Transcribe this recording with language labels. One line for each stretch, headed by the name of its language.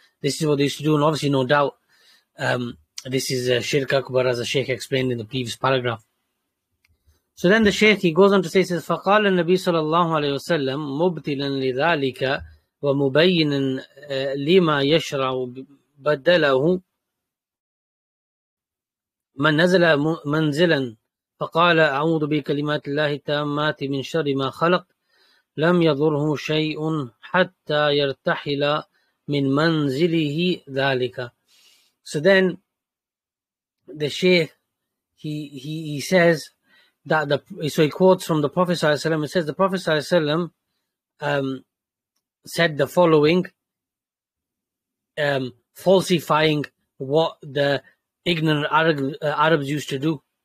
English: This is what they used to do, and obviously, no doubt, this is Shirk Akbar, as the Shaykh explained in the previous paragraph. So then the Shaykh, he goes on to say, he says,
Arabic: فَقَالَ النَّبِي صَلَى اللَّهُ عَلَيْهُ وَسَلَّمُ مُبْتِلًا لِذَلِكَ وَمُبَيِّنًا لِمَا يَشْرَعُ بَدَّلَهُ مَنْ نَزَلَ مَنْزِلًا فَقَالَ أَعُوذُ بِكَلِمَاتِ اللَّهِ التَّامَّاتِ مِنْ شَرِّ مَا خَلَقَ لَمْ يَضُرْهُ شَيْءٌ حَتَّى يَرْتَحِلَ مِنْ مَنْزِلِهِ ذَلِكَ.
English: So then the Shaykh, he says that he quotes from the Prophet ﷺ. It says the Prophet ﷺ said the following, falsifying what the ignorant Arabs used to do.